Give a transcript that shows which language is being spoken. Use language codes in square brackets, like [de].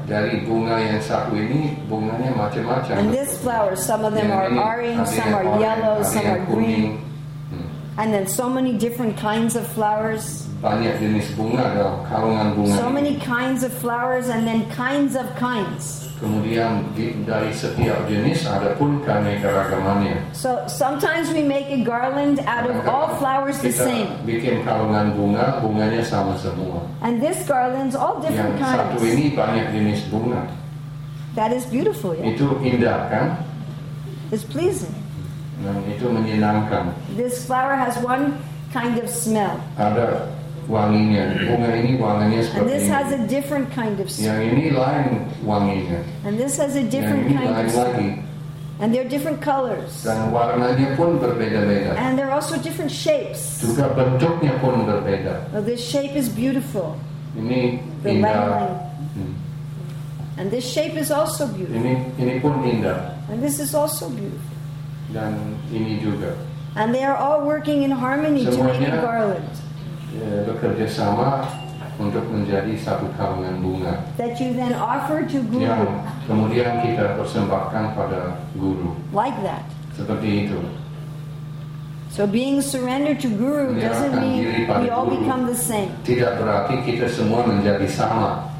[id] Dari bunga yang satu ini, bunganya macam-macam. [en] And this flower, some of them are orange, some are yellow, some are green. And then so many different kinds of flowers. [id] Banyak jenis bunga dalam karungan bunga. [en] So many kinds of flowers and then kinds of kinds. [id] Kemudian dari setiap jenis ada pun keanekaragamannya. [en] So sometimes we make a garland out of all flowers the same. [id] Kita bikin karungan bunga, bunganya sama semua. [en] And this garland's all different kinds. [id] Yang satu ini banyak jenis bunga. [en] That is beautiful, yeah? [id] Itu indah, kan? [en] It's pleasing. [id] Nah, itu menyenangkan. [en] This flower has one kind of smell. [id] Ada wanginya. Bunga ini wanginya seperti [en] and this [id] ini. [en] Has a different kind of smell. [id] Yang ini lain wanginya. [en] And this has a different kind of smell. [id] Lagi. [en] And they're different colors. [id] Dan warnanya pun berbeda-beda. [en] And they're also different shapes. [id] Juga bentuknya pun berbeda. [en] Well, this shape is beautiful. [id] Ini [en] the [id] indah. [en] And this shape is also beautiful. [id] Ini pun indah. [en] And this is also beautiful. [id] Dan ini juga. [en] And they are all working in harmony [id] semuanya [en] to make a garland. [id] Bekerja sama untuk menjadi satu karungan bunga. [en] That you then offer to Guru. [id] Yang kemudian kita persembahkan pada Guru. [en] Like that. [id] Seperti itu. [en] So being surrendered to Guru doesn't mean we all become the same. [id] Tidak berarti kita semua menjadi sama.